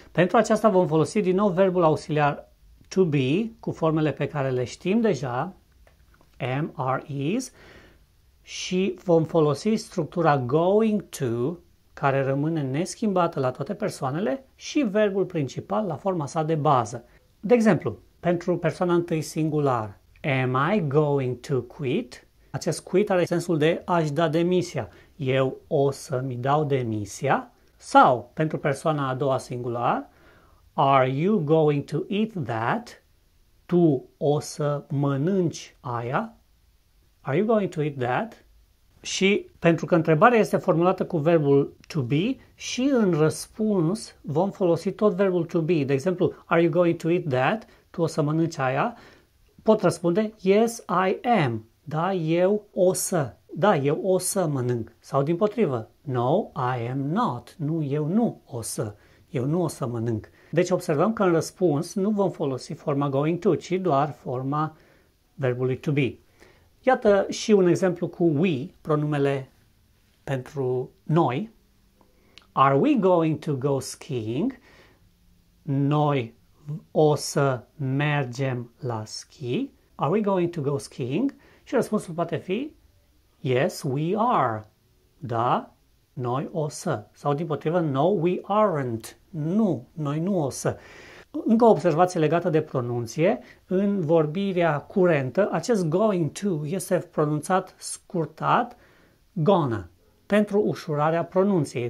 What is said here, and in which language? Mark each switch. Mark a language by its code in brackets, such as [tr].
[ro] Pentru aceasta vom folosi din nou verbul auxiliar to be, cu formele pe care le știm deja, am, are, is, și vom folosi structura going to, care rămâne neschimbată la toate persoanele, și verbul principal la forma sa de bază. De exemplu, pentru persoana întâi singular, [en] am I going to quit? [ro] Acest quit are sensul de a-și da demisia. Eu o să-mi dau demisia. Sau, pentru persoana a doua singular, [en] are you going to eat that? [ro] Tu o să mănânci aia? [en] Are you going to eat that? [ro] Și pentru că întrebarea este formulată cu verbul to be, și în răspuns vom folosi tot verbul to be. De exemplu, [en] are you going to eat that? [ro] Tu o să mănânci aia? Pot răspunde, [en] yes, I am. [ro] Da, eu o să. Da, eu o să mănânc. Sau dimpotrivă, [en] no, I am not. [ro] Nu, eu nu o să. Eu nu o să mănânc. Deci observăm că în răspuns nu vom folosi forma going to, ci doar forma verbului to be. Iată și un exemplu cu we, pronumele pentru noi. [en] Are we going to go skiing? [ro] Noi o să mergem la ski. [en] Are we going to go skiing? [ro] Și răspunsul poate fi [en] yes, we are. [ro] Da, noi o să. Sau dimpotrivă, [en] no, we aren't. [ro] Nu, noi nu o să. Încă o observație legată de pronunție. În vorbirea curentă, acest going to este pronunțat scurtat gonna, pentru ușurarea pronunției.